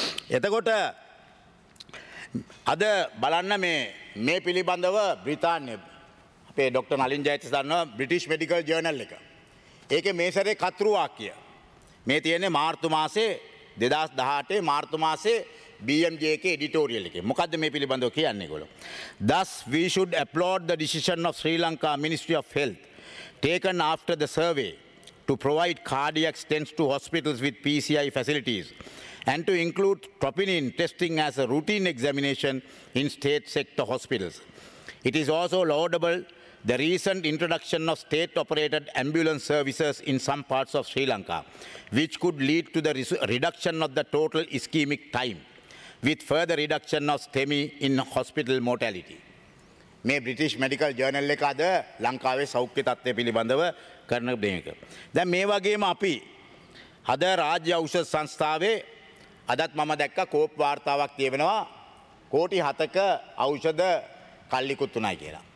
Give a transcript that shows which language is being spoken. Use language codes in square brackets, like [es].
[si] එතකොට අද බලන්න මේ පිළිබඳව බ්‍රිතාන්‍ය අපේ doctor Nalin ජයතිසන්න British medical journal එක. ඒකේ මේ සැරේ කතරු වාක්‍ය මේ තියෙන්නේ මාර්තු මාසේ 2018 මාර්තු මාසේ BMJ එකේ එඩිටෝරියල් එකේ. මොකද්ද මේ පිළිබඳව කියන්නේ ඒගොල්ලෝ? [en] Thus we should applaud the decision of Sri Lanka Ministry of Health taken after the survey to provide cardiac stents to hospitals with PCI facilities and to include troponin testing as a routine examination in state sector hospitals. It is also laudable the recent introduction of state operated ambulance services in some parts of Sri Lanka which could lead to the reduction of the total ischemic time with further reduction of STEMI in hospital mortality. [si] මේ British medical journal එක අද ලංකාවේ සෞඛ්‍ය තත්ත්වය පිළිබඳව කරන දෙයක. දැන් මේ වගේම අපි අද රාජ්‍ය ඖෂධ සංස්ථාවේ අදත් මම දැක්ක කෝප් වාර්තාවක් තියෙනවා කෝටි 7ක ඖෂධ කල්ලිකුත් උනායි කියලා.